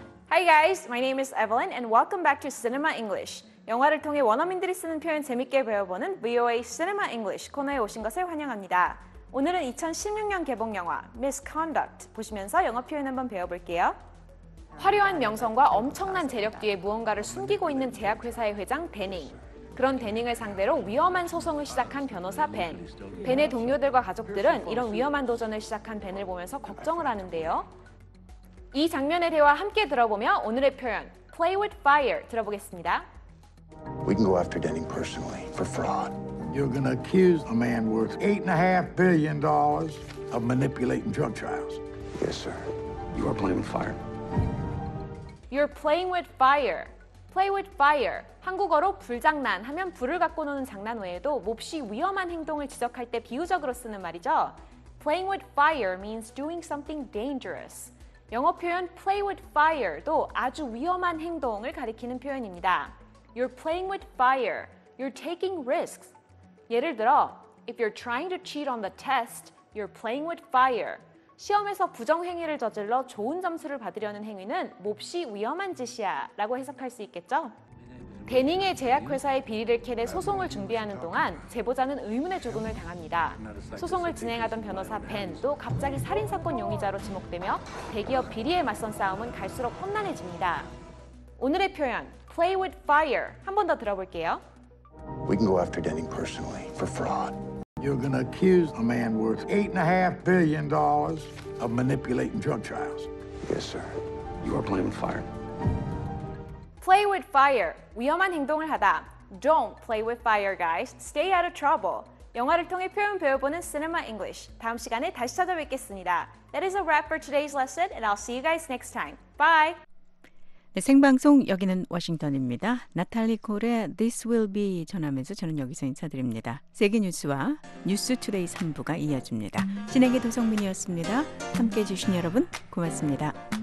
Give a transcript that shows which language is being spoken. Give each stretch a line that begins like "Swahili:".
English: Hi guys, my name is Evelyn and welcome back to Cinema English.
Korean: 영화를 통해 원어민들이 쓰는 표현 재밌게 배워보는 VOA Cinema English 코너에 오신 것을 환영합니다. 오늘은 2016년 개봉 영화 Misconduct 보시면서 영어 표현 한번 배워볼게요. 화려한 명성과 엄청난 재력 뒤에 무언가를 숨기고 있는 제약회사의 회장 데닝. 그런 데닝을 상대로 위험한 소송을 시작한 변호사 벤. 벤의 동료들과 가족들은 이런 위험한 도전을 시작한 벤을 보면서 걱정을 하는데요. 이 장면의 대화 함께 들어보며 오늘의 표현
English: Play with fire
Korean: 들어보겠습니다.
English: We can go after Denning personally for fraud. You're going to accuse a man worth $8.5 billion of manipulating drug trials. Yes, sir. You are playing with fire. You're playing with fire. Play with fire.
Korean: 한국어로 불장난 하면 불을 갖고 노는 장난 외에도 몹시 위험한 행동을 지적할 때 비유적으로 쓰는 말이죠.
English: Playing with fire means doing something dangerous.
Korean: 영어 표현
English: play with fire
Korean: 도 아주 위험한 행동을 가리키는 표현입니다.
English: You're playing with fire. You're taking risks.
Korean: 예를 들어,
English: if you're trying to cheat on the test, you're playing with fire.
Korean: 시험에서 부정행위를 저질러 좋은 점수를 받으려는 행위는 몹시 위험한 짓이야 라고 해석할 수 있겠죠? 데닝의 제약회사의 비리를 캐내 소송을 준비하는 동안 제보자는 의문의 죽음을 당합니다. 소송을 진행하던 변호사 벤도 갑자기 살인사건 용의자로 지목되며 대기업 비리에 맞선 싸움은 갈수록 험난해집니다. 오늘의 표현,
English: play with fire,
Korean: 한 번 더 들어볼게요.
English: We can go after Denning personally for fraud. You're going to accuse a man worth $8.5 billion of manipulating drug trials. Yes, sir. You are playing with fire. Play with fire.
Korean: 위험한 행동을 하다.
English: Don't play with fire, guys. Stay out of trouble.
Korean: 영화를 통해 표현 배워보는 Cinema English. 다음 시간에 다시 찾아뵙겠습니다.
English: That is a wrap for today's lesson, and I'll see you guys next time. Bye.
Korean: 네, 생방송 여기는 워싱턴입니다. 나탈리 콜의 This Will Be 전하면서 저는 여기서 인사드립니다. 세계 뉴스와 뉴스 투데이 3부가 이어집니다. 진행의 도성민이었습니다. 함께해 주신 여러분 고맙습니다.